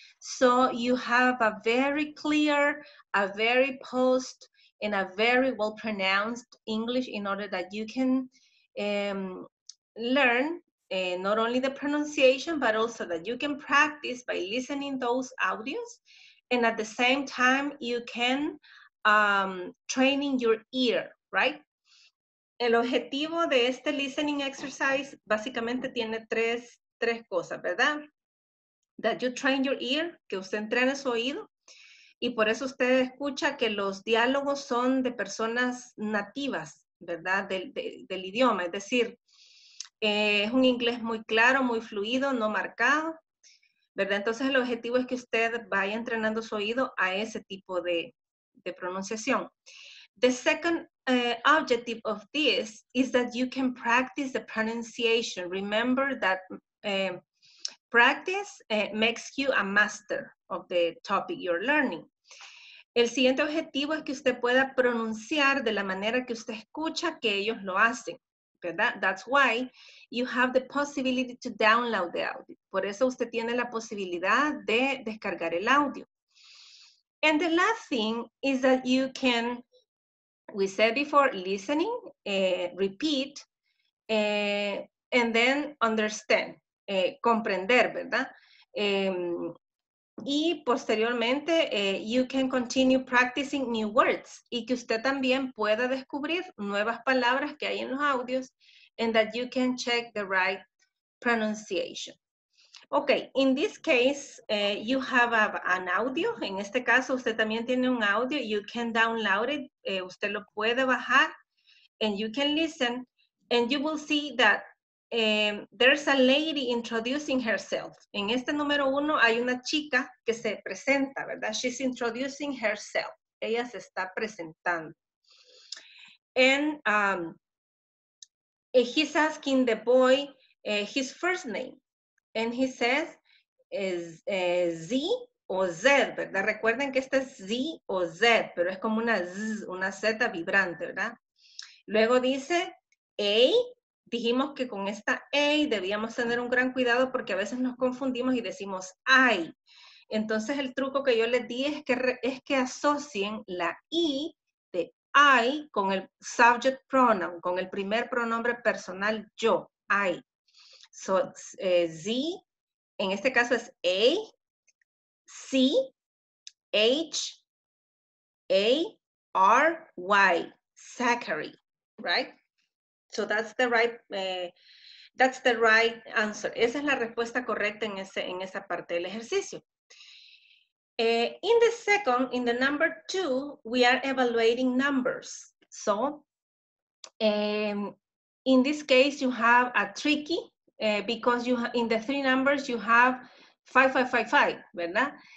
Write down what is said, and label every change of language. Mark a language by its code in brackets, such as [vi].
[en] So you have a very clear, a very posed, and a very well-pronounced English in order that you can learn not only the pronunciation, but also that you can practice by listening those audios. And at the same time, you can training your ear, right? [es] El objetivo de este listening exercise básicamente tiene tres cosas, ¿verdad? [en] That you train your ear, [es] que usted entrene su oído. Y por eso usted escucha que los diálogos son de personas nativas, ¿verdad? Del idioma. Es decir, es un inglés muy claro, muy fluido, no marcado, ¿verdad? Entonces el objetivo es que usted vaya entrenando su oído a ese tipo de pronunciación. [en] The second objective of this is that you can practice the pronunciation. Remember that practice makes you a master of the topic you're learning. [es] El siguiente objetivo es que usted pueda pronunciar de la manera que usted escucha que ellos lo hacen, ¿verdad? [en] That's why you have the possibility to download the audio. [es] Por eso usted tiene la posibilidad de descargar el audio. [en] And the last thing is that you can, we said before, listening, repeat, and then understand, [es] comprender, ¿verdad? Y posteriormente, [en] you can continue practicing new words, [es] y que usted también pueda descubrir nuevas palabras que hay en los audios, [en] and that you can check the right pronunciation. Okay, in this case, you have an audio. [es] En este caso, usted también tiene un audio. [en] You can download it. [es] Usted lo puede bajar, [en] and you can listen, and you will see that there's a lady introducing herself. [es] En este número uno hay una chica que se presenta, ¿verdad? [en] She's introducing herself. [es] Ella se está presentando. [en] And he's asking the boy his first name. And he says, Z o Z, [es] ¿verdad? Recuerden que este es Z o Z, pero es como una Z, una Z vibrante, ¿verdad? Luego dice, A. Dijimos que con esta A debíamos tener un gran cuidado porque a veces nos confundimos y decimos I. Entonces el truco que yo les di es que asocien la I de I con el subject pronoun, con el primer pronombre personal yo, I. [en] So, [es] Z, en este caso es A, C, H, A, R, Y, Zachary, [en] right? So that's the right answer. [es] Esa es la respuesta correcta en esa parte del ejercicio. [en] In the number two, we are evaluating numbers. So in this case, you have a tricky because you in the three numbers you have 5555, [es] ¿verdad?